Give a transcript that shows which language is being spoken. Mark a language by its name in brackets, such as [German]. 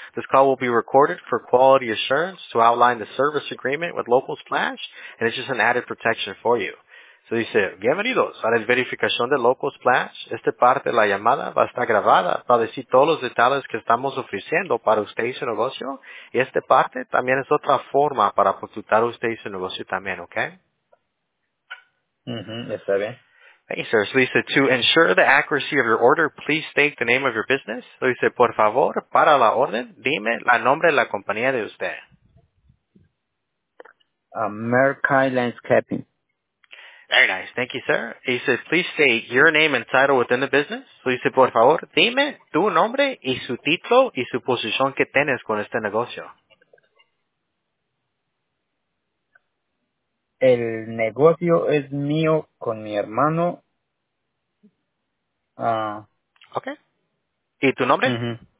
[English] This call will be recorded for quality assurance to outline the service agreement with Local Splash, and it's just an added protection for you. [Spanish] So dice, bienvenidos a la verificación de Local Splash. Esta parte de la llamada va a estar grabada para decir todos los detalles que estamos ofreciendo para usted y su negocio. Y esta parte también es otra forma para consultar a usted y su negocio también, ¿ok? Mm-hmm, está bien. [English] Thank you, sir. So [Spanish] dice, [English] to ensure the accuracy of your order, please state the name of your business. [Spanish] So dice, por favor, para la orden, dime el nombre de la compañía de usted. [English] Merkai Landscaping. Very nice. Thank you, sir. He said, please state your name and title within the business. So he said, [Spanish] por favor, dime tu nombre y su título y su posición que tienes con este negocio. El negocio es mío con mi hermano. Okay. ¿Y tu nombre?